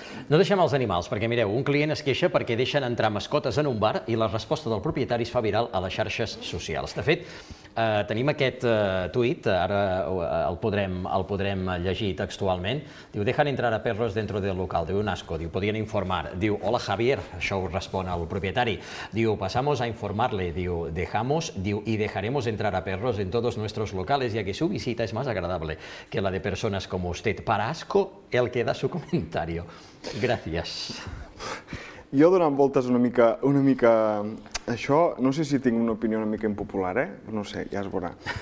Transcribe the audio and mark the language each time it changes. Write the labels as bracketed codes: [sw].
[ca] No deixem els animals, perquè mireu, un client es queixa perquè deixen entrar mascotes en un bar i la resposta del propietari es fa viral a les xarxes socials. De fet, tenim aquest tuit, ara el podrem llegir textualment. [es] Diu, dejan entrar a perros dentro del local. Diu, un asco. Diu, podien informar. [ca] Diu, hola Javier, això ho respon al propietari. [es] Diu, pasamos a informarle. Diu, dejamos, diu, y dejaremos entrar a perros en todos nuestros locales, ya que su visita es más agradable que la de personas como usted. Para asco, el que da su comentario. Gràcies. [ca] Jo, donant voltes una mica això, no sé si tinc una opinió una mica impopular, no sé, ja es veurà.